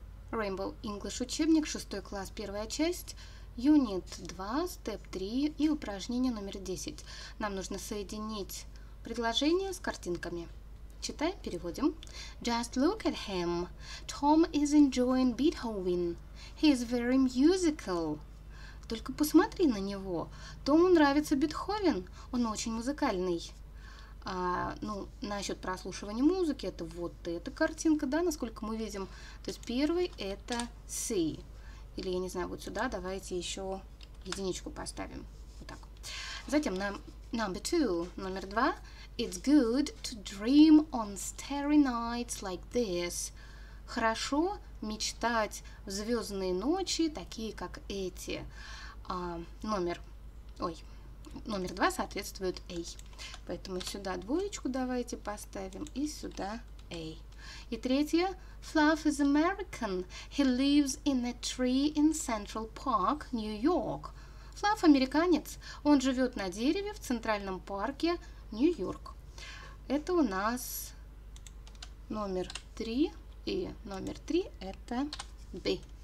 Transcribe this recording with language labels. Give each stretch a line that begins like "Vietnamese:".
Russian: Rainbow English учебник, 6 класс, 1 часть, Unit 2, Step 3 и упражнение номер 10. Нам нужно соединить предложение с картинками. Читаем, переводим.
English: Just look at him. Tom is enjoying Beethoven. He is very musical.
Russian: Только посмотри на него. Тому нравится Бетховен. Он очень музыкальный. А, ну, насчет прослушивания музыки, это вот эта картинка, да, насколько мы видим. То есть первый это see. Или, я не знаю, вот сюда давайте еще единичку поставим. Вот так. Затем
English: number two,
Russian: номер два.
English: It's good to dream on starry nights like this.
Russian: Хорошо мечтать в звездные ночи, такие как эти. Номер два соответствует A. Поэтому сюда двоечку давайте поставим и сюда A. И третье.
English: Fluff is American. He lives in a tree in Central Park, New York.
Russian: Fluff американец. Он живет на дереве в Центральном парке, Нью-Йорк. Это у нас номер три. И номер три это B.